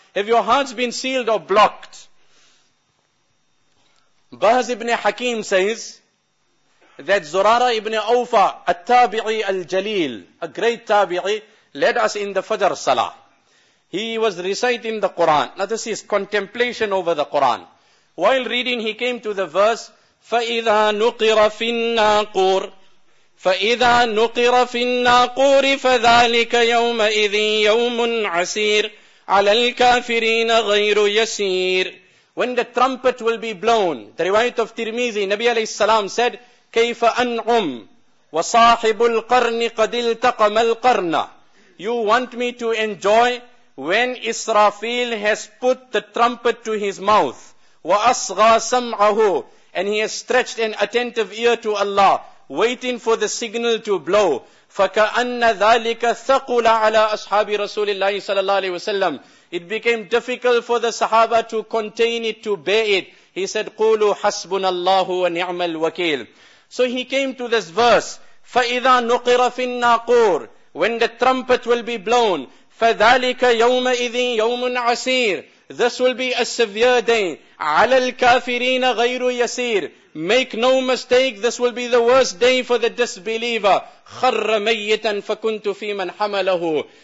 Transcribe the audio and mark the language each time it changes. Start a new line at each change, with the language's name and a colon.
English: Have your hearts been sealed or blocked? Bahz ibn Hakim says that Zurara ibn Awfa, al-Tabi'i al-Jalil, a great Tabi'i, led us in the Fajr Salah. He was reciting the Quran. Now this is contemplation over the Quran. While reading, he came to the verse,
Arabic: فَإِذَا نُقِرَ فِي النَّاقُورِ فَإِذَا نُقِرَ فِي النَّاقُورِ فَذَلِكَ يَوْمَئِذٍ يَوْمٌ عَسِيرٌ عَلَى الْكَافِرِينَ غَيْرُ يَسِيرٌ.
English: When the trumpet will be blown, the riwayat of Tirmizi, Nabi alayhi salam said,
Arabic: كَيْفَ أَنْعُمْ وَصَاحِبُ الْقَرْنِ قَدِ الْتَقَمَ الْقَرْنَ.
English: You want me to enjoy when Israfil has put the trumpet to his mouth,
Arabic: وَأَصْغَى سَمْعَهُ,
English: and he has stretched an attentive ear to Allah, waiting for the signal to blow.
Arabic: فَكَأَنَّ ذَلِكَ ثَقُلَ عَلَىٰ أَصْحَابِ رَسُولِ اللَّهِ صَلَى اللَّهِ عَلَيْهِ وَسَلَّمْ.
English: It became difficult for the Sahaba to contain it, to bear it. He said,
Arabic: قُولُوا حَسْبُنَ اللَّهُ وَنِعْمَ الْوَكِيلُ.
English: So he came to this verse,
Arabic: فَإِذَا نُقِرَ فِي النَّاقُورِ,
English: when the trumpet will be blown,
Arabic: فَذَلِكَ يَوْمَئِذٍ يَوْمٌ عَسِيرٌ,
English: this will be a severe day.
Arabic: عَلَى الْكَافِرِينَ غَيْرُ يَسِيرٌ.
English: Make no mistake, this will be the worst day for the disbeliever.
Arabic: خَرَّ مَيِّتًا فَكُنْتُ فِي مَنْ حَمَلَهُ.